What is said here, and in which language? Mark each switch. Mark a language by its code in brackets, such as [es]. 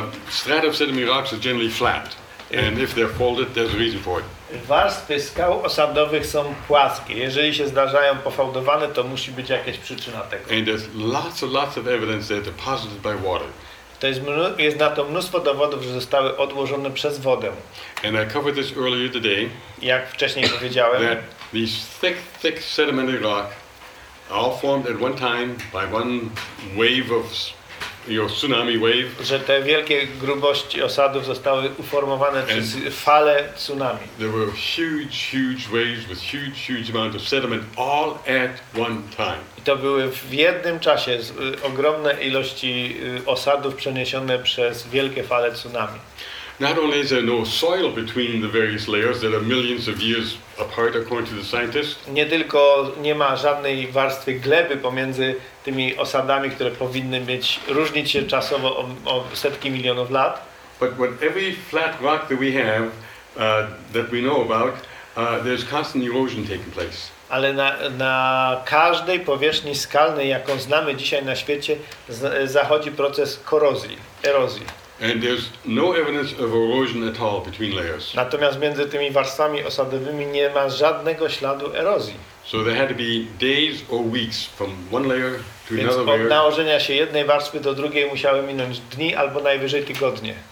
[en] Strata of sediment rocks are generally flat. And if they're folded, there's a reason for it. [pl] Warstwy skał osadowych są płaskie. Jeżeli się zdarzają pofałdowane, to musi być jakaś przyczyna tego. [en] And there's lots of evidence that deposited by water. [pl] To jest na to mnóstwo dowodów, że zostały odłożone przez wodę. [en] And I covered this earlier today. [pl] Jak wcześniej powiedziałem, [en] that these thick sedimentary rock all formed at one time by one wave of tsunami wave, [pl] że te wielkie grubości osadów zostały uformowane przez fale tsunami. [en] There were huge waves with huge amount of sediment all at one time. [pl] I to były w jednym czasie ogromne ilości osadów przeniesione przez wielkie fale tsunami. [en] Not only is there no soil between the various layers that are millions of years apart, according to the scientists. [pl] Nie tylko nie ma żadnej warstwy gleby pomiędzy tymi osadami, które powinny być różnić się czasowo o setki milionów lat. [en] But with every flat rock that we have that we know about, there's constant erosion taking place. [pl] Ale na każdej powierzchni skalnej, jaką znamy dzisiaj na świecie, zachodzi proces korozji, erozji. [en] And there's no evidence of erosion at all between layers. [pl] Natomiast między tymi warstwami osadowymi nie ma żadnego śladu erozji. [en] So there had to be days or weeks from one layer to [pl] więc [en] another layer. [pl] Więc od nałożenia się jednej warstwy do drugiej musiały minąć dni albo najwyżej tygodnie.